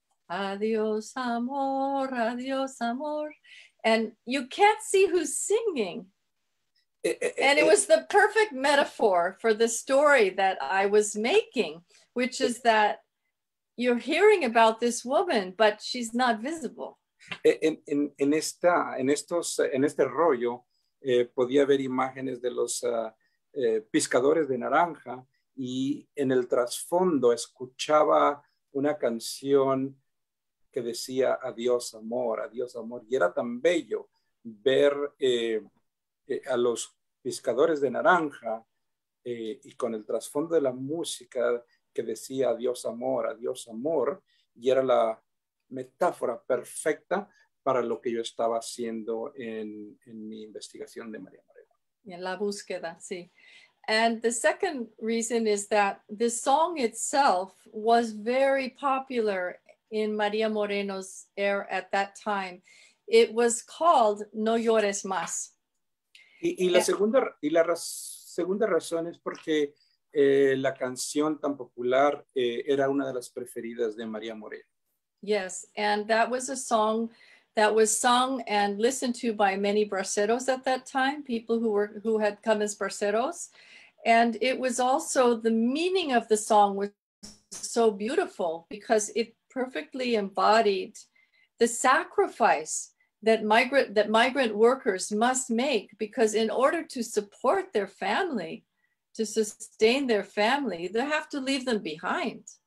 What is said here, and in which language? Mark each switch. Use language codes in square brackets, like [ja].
[es] Adios Amor, Adios Amor. [en] And you can't see who's singing. And it was the perfect metaphor for the story that I was making, which is that you're hearing about this woman, but she's not visible. [es] En este rollo, podía ver imágenes de los pescadores de naranja, y en el trasfondo escuchaba una canción que decía adiós amor, y era tan bello ver a los pescadores de naranja y con el trasfondo de la música que decía adiós amor, y era la metáfora perfecta para lo que yo estaba haciendo en mi investigación de María Moreno. En la búsqueda, sí. [en] And the second reason is that the song itself was very popular in María Moreno's era at that time. It was called No Llores Más. [es] Y la segunda razón es porque la canción tan popular era una de las preferidas de María Moreno. [en] Yes, and that was a song that was sung and listened to by many braceros at that time, people who had come as braceros. And it was also, the meaning of the song was so beautiful because it perfectly embodied the sacrifice that migrant workers must make, because in order to support their family, to sustain their family, they have to leave them behind.